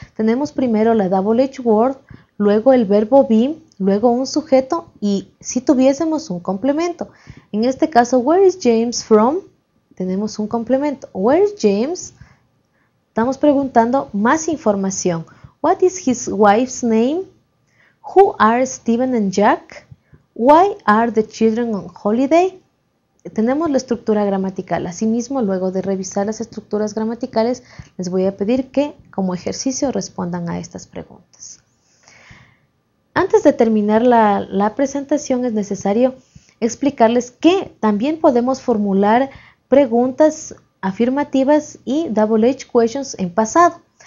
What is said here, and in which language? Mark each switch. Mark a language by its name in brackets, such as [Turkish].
[Spanish] Tenemos primero la double H word, luego el verbo be, luego un sujeto y si tuviésemos un complemento. En este caso, where is James from? Tenemos un complemento. Where is James? Estamos preguntando más información. [English] What is his wife's name? Who are Stephen and Jack? Why are the children on holiday? [Spanish] Tenemos la estructura gramatical. Asimismo, luego de revisar las estructuras gramaticales, les voy a pedir que como ejercicio respondan a estas preguntas. Antes de terminar la presentación, es necesario explicarles que también podemos formular preguntas afirmativas y double H questions en pasado.